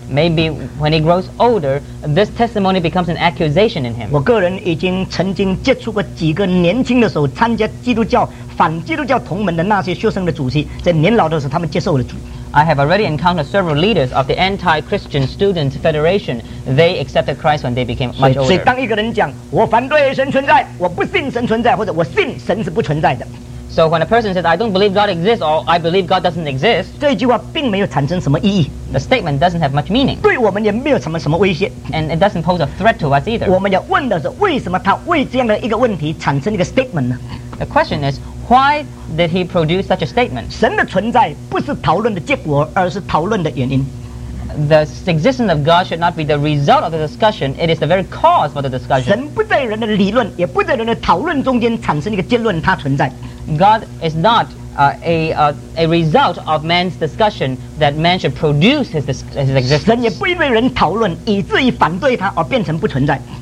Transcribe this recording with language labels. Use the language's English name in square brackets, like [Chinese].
[English] Maybe when he grows older, this testimony becomes an accusation in him. [Chinese] 我个人已经曾经接触过几个年轻的时候参加基督教反基督教同盟的那些学生的主席，在年老的时候他们接受了主。 [English] I have already encountered several leaders of the Anti-Christian Students Federation. They accepted Christ when they became much older. [Chinese] 所以当一个人讲，我反对神存在，我不信神存在，或者我信神是不存在的。 [English] So when a person says, I don't believe God exists, or I believe God doesn't exist, [Chinese] 这句话并没有产生什么意义。 [English] The statement doesn't have much meaning. [Chinese] 对我们也没有什么威胁。 [English] And it doesn't pose a threat to us either. [Chinese] 我们要问的是，为什么他为这样的一个问题产生一个 statement 呢？ [English] The question is, Why did he produce such a statement? [Chinese] 神的存在不是讨论的结果，而是讨论的原因。 [English] The existence of God should not be the result of the discussion, it is the very cause for the discussion. [Chinese] 神不在人的理论，也不在人的讨论中间产生一个结论，他存在。 [English] God is not a result of man's discussion that man should produce his existence. [Chinese] 神也不因为人讨论，以至于反对他而变成不存在。